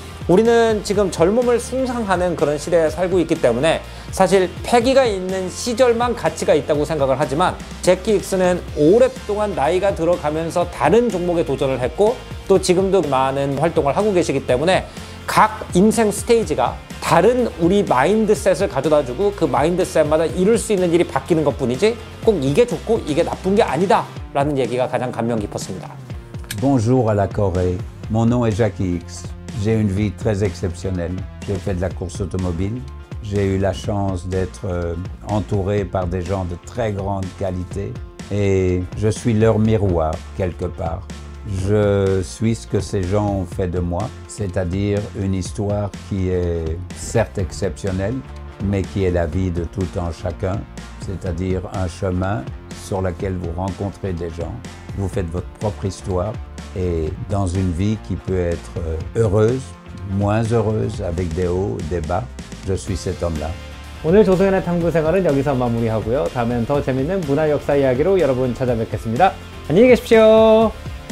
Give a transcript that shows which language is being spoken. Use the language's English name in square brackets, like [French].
[Korean] 우리는 지금 젊음을 숭상하는 그런 시대에 살고 있기 때문에 사실 패기가 있는 시절만 가치가 있다고 생각을 하지만 제키 익스는 오랫동안 나이가 들어가면서 다른 종목에 도전을 했고 또 지금도 많은 활동을 하고 계시기 때문에 각 인생 스테이지가 다른 우리 마인드셋을 가져다주고 그 마인드셋마다 이룰 수 있는 일이 바뀌는 것뿐이지 꼭 이게 좋고 이게 나쁜 게 아니다 라는 얘기가 가장 감명 깊었습니다. [French] Bonjour à la Corée. Mon nom est Jackie X. J'ai une vie très exceptionnelle. J'ai fait de la course automobile. J'ai eu la chance d'être entouré par des gens de très grande qualité. Et je suis leur miroir, quelque part. Je suis ce que ces gens ont fait de moi, c'est-à-dire une histoire qui est certes exceptionnelle, mais qui est la vie de tout un chacun, c'est-à-dire un chemin sur lequel vous rencontrez des gens, vous faites votre propre histoire, et dans une vie qui peut être heureuse, moins heureuse, avec des hauts, des bas, je suis cet homme-là. [Korean] 오늘 조성현의 탐구생활은 여기서 마무리하고요. 다음엔 더 재밌는 문화 역사 이야기로 여러분 찾아뵙겠습니다. 안녕히 계십시오.